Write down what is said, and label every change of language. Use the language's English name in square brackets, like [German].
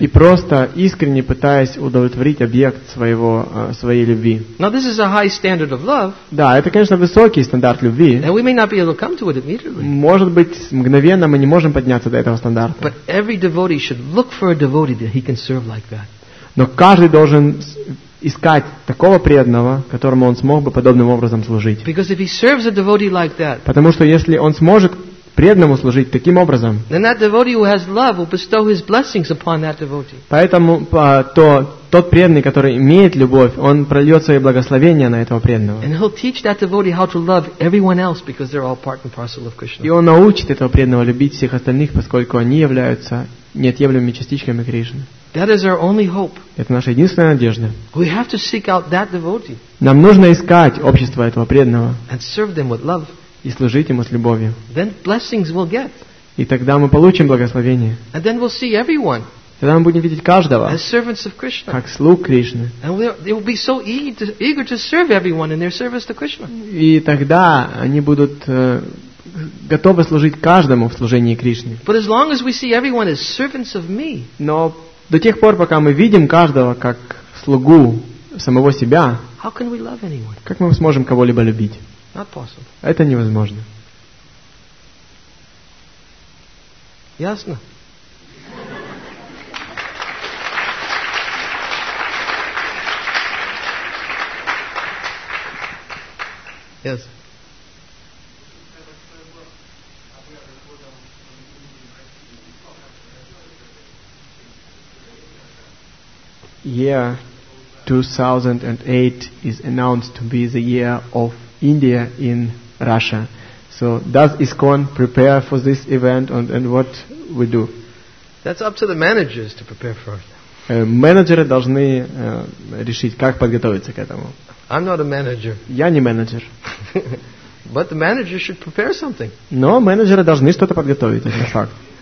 [Russian] И просто искренне пытаясь удовлетворить объект своего своей любви. [English] Now this is a high standard of love. [Russian] Да, это конечно высокий стандарт любви. [English] And we may not be able to come to it immediately. [Russian] Может быть, мгновенно мы не можем подняться до этого стандарта. [English] But every devotee should look for a devotee that he can serve like that. [Russian] Но каждый должен искать такого преданного, которому он смог бы подобным образом служить. [English] Because if he serves a devotee like that. [Russian] Потому что если он сможет преданному служить таким образом. [English] Then that devotee who has love will bestow his blessings upon that devotee. [Russian] Поэтому тот преданный, который имеет любовь, он прольет свои благословения на этого преданного. [English] And he'll teach that devotee how to love everyone else because they're all part and parcel of Krishna. [Russian] И он научит этого преданного любить всех остальных, поскольку они являются неотъемлемыми частичками Кришны. [English] That is our only hope. [Russian] Это наша единственная надежда. [English] We have to seek out that devotee. [Russian] Нам нужно искать общество этого преданного. [English] And serve them with love. [Russian] И служить ему с любовью. [English] Then blessings we'll get. [Russian] И тогда мы получим благословение. [English] And then we'll see everyone. [Russian] Тогда мы будем видеть каждого [English] as servants of Krishna. [Russian] Как слуг Кришны. [English] And they will be so eager to serve everyone in their service to Krishna. [Russian] И тогда они будут готовы служить каждому в служении Кришне. [English] But as long as we see everyone as servants of me. [Russian] Но до тех пор, пока мы видим каждого как слугу самого себя, [English] how can we love anyone? [Russian] Как мы сможем кого-либо любить? [English] Not possible. [Russian] Это невозможно. Ясно? [English] Yes. Year 2008 is announced to be the year of India in Russia. So does ISKCON prepare for this event and what we do? That's up to the managers to prepare for it. [Russian] Менеджеры должны решить, как подготовиться к этому. [English] I'm not a manager. [Russian] Я не менеджер. [English] But the manager should prepare something. [Russian] Но менеджеры должны что-то подготовить, это факт.